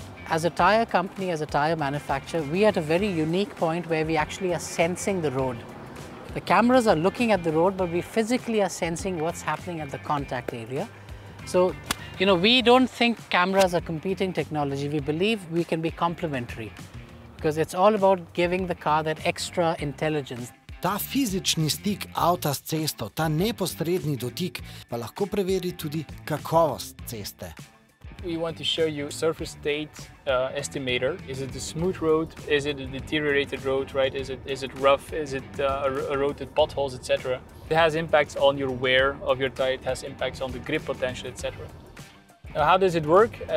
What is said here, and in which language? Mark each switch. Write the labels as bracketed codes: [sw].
[en] As a tire company, as a tire manufacturer, we are at a very unique point where we actually are sensing the road. The cameras are looking at the road, but we physically are sensing what's happening at the contact area. So, you know, we don't think cameras are competing technology. We believe we can be complementary because it's all about giving the car that extra intelligence. [sl] Ta fizični stik avta s cesto, ta neposredni dotik, pa lahko preveri tudi kakovost ceste. [en] We want to show you surface state estimator. Is it a smooth road? Is it a deteriorated road, right? Is it rough? Is it a road with potholes, etc.? It has impacts on your wear of your tire. It has impacts on the grip potential, etc. Now, how does it work?